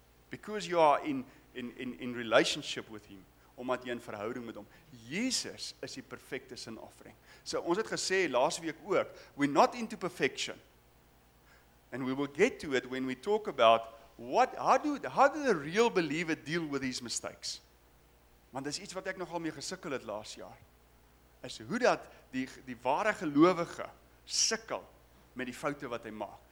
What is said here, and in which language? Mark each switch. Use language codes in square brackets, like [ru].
[en] Because you are in relationship with Him, [af] omdat jy in verhouding met hom. Jesus is die perfekte sin offering. So ons het gesê laas week ook, [en] we're not into perfection. And we will get to it when we talk about how do the real believer deal with these mistakes? [af] Want dis iets wat ek nogal mee gesukkel het laas jaar. Is hoe dat die ware gelowige sukkel met die foute wat hy maak.